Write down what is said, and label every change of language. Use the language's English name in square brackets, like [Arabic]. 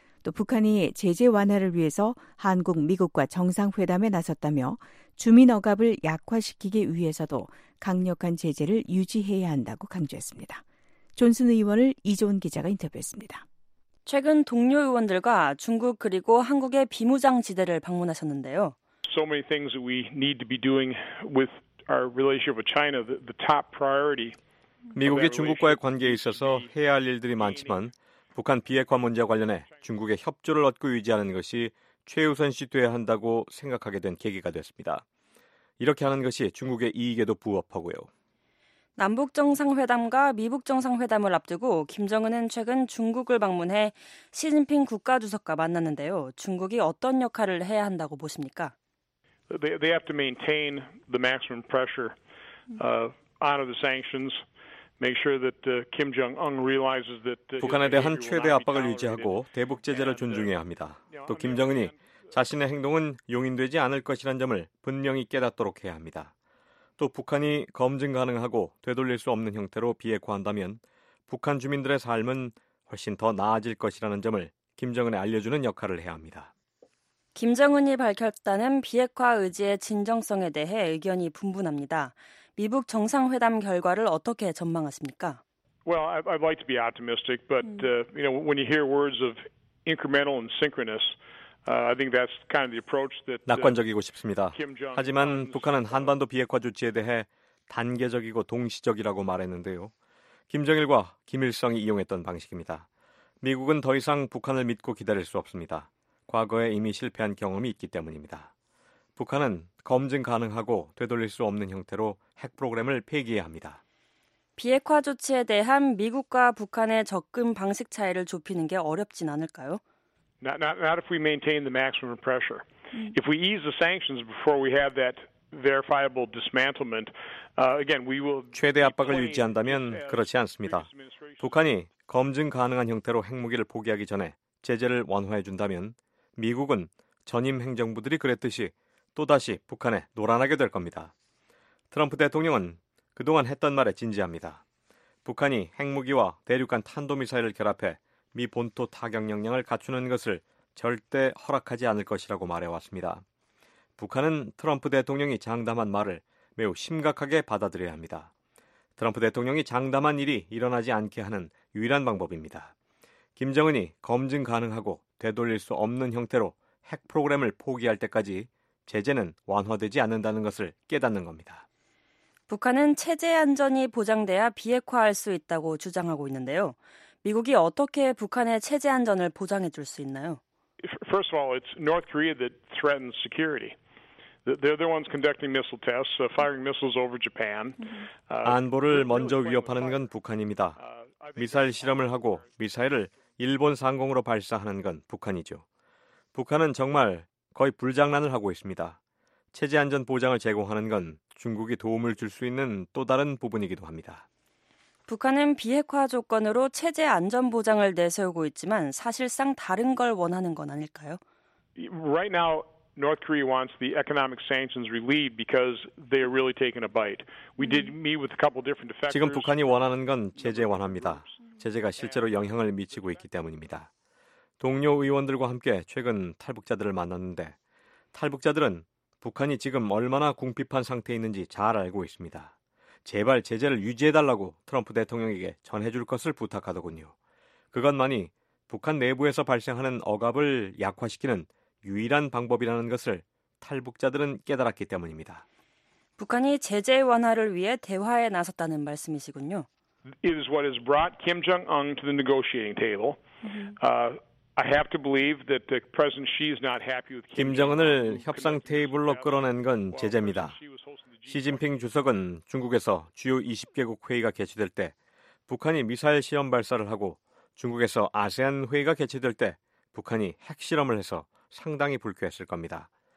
[Korean] 또 북한이 제재 완화를 위해서 한국, 미국과 정상회담에 나섰다며 주민 억압을 약화시키기 위해서도 강력한 제재를 유지해야 한다고 강조했습니다. 존슨 의원을 이종훈 기자가 인터뷰했습니다. 최근 동료 의원들과 중국 그리고 한국의 비무장 지대를 방문하셨는데요. [English] So many things we need to be doing with our relationship with China, the top priority. [Korean] 미국의 중국과의 관계에 있어서 해야 할 일들이 많지만 북한 비핵화 문제와 관련해 중국의 협조를 얻고 유지하는 것이 최우선시 돼야 한다고 생각하게 된 계기가 됐습니다. 이렇게 하는 것이 중국의 이익에도 부합하고요. 남북정상회담과 미북정상회담을 앞두고 김정은은 최근 중국을 방문해 시진핑 국가주석과 만났는데요. 중국이 어떤 역할을 해야 한다고 보십니까? [English] They have to maintain the maximum pressure, honor the sanctions. Make sure that Kim Jong-un realizes that [Korean] 북한에 대한 최대 압박을 유지하고 대북 제재를 존중해야 합니다. 또 김정은이 자신의 행동은 용인되지 않을 것이라는 점을 분명히 깨닫도록 해야 합니다. 또 북한이 검증 가능하고 되돌릴 수 없는 형태로 비핵화한다면 북한 주민들의 삶은 훨씬 더 나아질 것이라는 점을 김정은에 알려주는 역할을 해야 합니다. 김정은이 밝혔다는 비핵화 의지의 진정성에 대해 의견이 분분합니다. 미북 정상회담 결과를 어떻게 전망하십니까? [English] Well, I'd like to be optimistic, but you know, when you hear words of incremental and synchronous, I think that's kind of the approach that [Korean] 낙관적이고 싶습니다. 하지만 북한은 한반도 비핵화 조치에 대해 단계적이고 동시적이라고 말했는데요. 김정일과 김일성이 이용했던 방식입니다. 미국은 더 이상 북한을 믿고 기다릴 수 없습니다. 과거에 이미 실패한 경험이 있기 때문입니다. 북한은 검증 가능하고 되돌릴 수 없는 형태로 핵 프로그램을 폐기해야 합니다. 비핵화 조치에 대한 미국과 북한의 접근 방식 차이를 좁히는 게 어렵진 않을까요? [English] Not if we maintain the maximum pressure. If we ease the sanctions before we have that verifiable dismantlement, again, we will [Korean] 최대 압박을 유지한다면 그렇지 않습니다. 북한이 검증 가능한 형태로 핵무기를 포기하기 전에 제재를 완화해 준다면 미국은 전임 행정부들이 그랬듯이 또다시 북한에 노란하게 될 겁니다. 트럼프 대통령은 그동안 했던 말에 진지합니다. 북한이 핵무기와 대륙간 탄도미사일을 결합해 미 본토 타격 역량을 갖추는 것을 절대 허락하지 않을 것이라고 말해왔습니다. 북한은 트럼프 대통령이 장담한 말을 매우 심각하게 받아들여야 합니다. 트럼프 대통령이 장담한 일이 일어나지 않게 하는 유일한 방법입니다. 김정은이 검증 가능하고 되돌릴 수 없는 형태로 핵 프로그램을 포기할 때까지 제재는 완화되지 않는다는 것을 깨닫는 겁니다. 북한은 체제 안전이 보장돼야 비핵화할 수 있다고 주장하고 있는데요. 미국이 어떻게 북한의 체제 안전을 보장해 줄 수 있나요? [English] First of all, it's North Korea that threatens security. They're the ones conducting missile tests, firing missiles over Japan. [Korean] 안보를 먼저 위협하는 건 북한입니다. 미사일 실험을 하고 미사일을 일본 상공으로 발사하는 건 북한이죠. 북한은 정말 거의 불장난을 하고 있습니다. 체제 안전 보장을 제공하는 건 중국이 도움을 줄 수 있는 또 다른 부분이기도 합니다. 북한은 비핵화 조건으로 체제 안전 보장을 내세우고 있지만 사실상 다른 걸 원하는 건 아닐까요? [English] Right now, North Korea wants the economic sanctions relieved because they are really taking a bite. We did meet with a couple different defectors. [Korean] 지금 북한이 원하는 건 제재 완화입니다. 제재가 실제로 영향을 미치고 있기 때문입니다. 동료 의원들과 함께 최근 탈북자들을 만났는데 탈북자들은 북한이 지금 얼마나 궁핍한 상태에 있는지 잘 알고 있습니다. 제발 제재를 유지해달라고 트럼프 대통령에게 전해줄 것을 부탁하더군요. 그것만이 북한 내부에서 발생하는 억압을 약화시키는 유일한 방법이라는 것을 탈북자들은 깨달았기 때문입니다. 북한이 제재 완화를 위해 대화에 나섰다는 말씀이시군요. [English] It is what has brought Kim Jong-un to the negotiating table. I have to believe that the President Xi is not happy with Kim. [Korean] 김정은을 협상 테이블로 끌어낸 건 제재입니다. 시진핑 주석은 중국에서 주요 20개국 회의가 개최될 때 북한이 미사일 실험 발사를 하고 중국에서 아세안 회의가 개최될 때 북한이 핵실험을 해서 상당히 불쾌했을 겁니다.